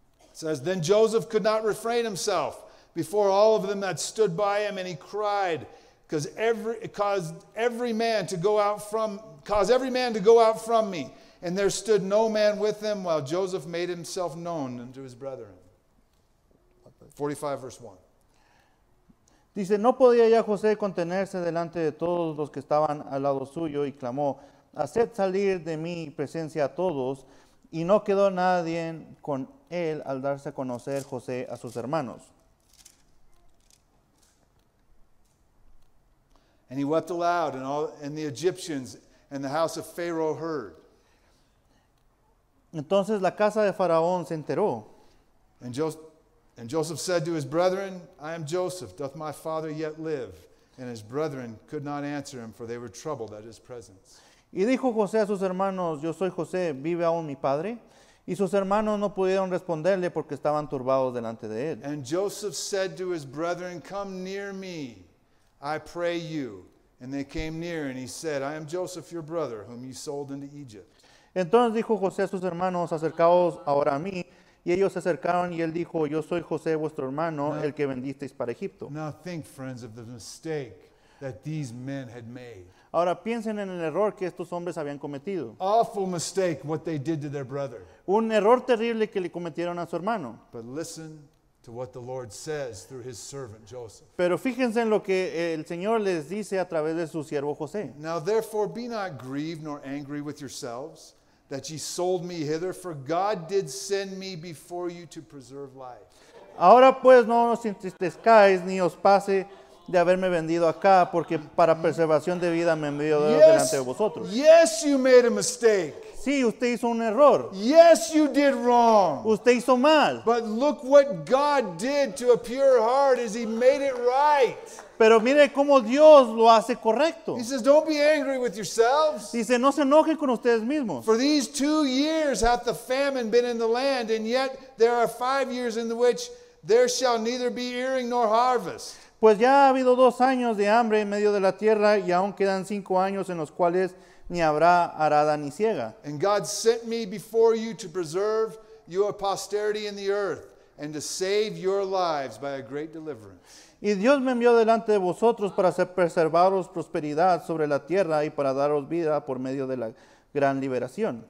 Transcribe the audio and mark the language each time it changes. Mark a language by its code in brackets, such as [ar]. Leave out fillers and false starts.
[en] It says, then Joseph could not refrain himself before all of them that stood by him, and he cried, cause every man to go out from me. And there stood no man with him while Joseph made himself known unto his brethren. 45 verse 1. [es] Dice, no podía ya José contenerse delante de todos los que estaban al lado suyo y clamó, haced salir de mi presencia a todos. Y no quedó nadie con él al darse a conocer José a sus hermanos. [en] And he wept aloud, and the Egyptians and the house of Pharaoh heard. [es] Entonces la casa de Faraón se enteró. [en] And Joseph said to his brethren, I am Joseph, doth my father yet live? And his brethren could not answer him, for they were troubled at his presence. [es] Y dijo José a sus hermanos, yo soy José, ¿vive aún mi padre? Y sus hermanos no pudieron responderle porque estaban turbados delante de él. [en] And Joseph said to his brethren, come near me, I pray you. And they came near, and he said, I am Joseph, your brother, whom you sold into Egypt. [es] Entonces dijo José a sus hermanos, acercaos ahora a mí. Y ellos se acercaron y él dijo, yo soy José, vuestro hermano, el que vendisteis para Egipto. [en] Now think, friends, of the mistake that these men had made. [es] Ahora piensen en el error que estos hombres habían cometido. [en] Awful mistake what they did to their brother. [es] Un error terrible que le cometieron a su hermano. [en] But listen to what the Lord says through his servant Joseph. [es] Pero fíjense en lo que el Señor les dice a través de su siervo José. [en] Now therefore be not grieved nor angry with yourselves that ye sold me hither, for God did send me before you to preserve life. [es] Ahora pues no os entristezcáis ni os pase de haberme vendido acá, porque para preservación de vida me envió delante de vosotros. [en] Yes, you made a mistake. [es] Sí, usted hizo un error. [en] Yes, you did wrong. [es] Usted hizo mal. [en] But look what God did to a pure heart as he made it right. [es] Pero mire cómo Dios lo hace correcto. [en] He says, don't be angry with yourselves. [es] Dice, no se enojen con ustedes mismos. [en] For these 2 years hath the famine been in the land, and yet there are 5 years in which there shall neither be earing nor harvest. [es] Pues ya ha habido 2 años de hambre en medio de la tierra y aún quedan 5 años en los cuales ni habrá arada ni siega. [en] And God sent me before you to preserve your posterity in the earth and to save your lives by a great deliverance. [es] Y Dios me envió delante de vosotros para hacer preservaros prosperidad sobre la tierra y para daros vida por medio de la gran liberación.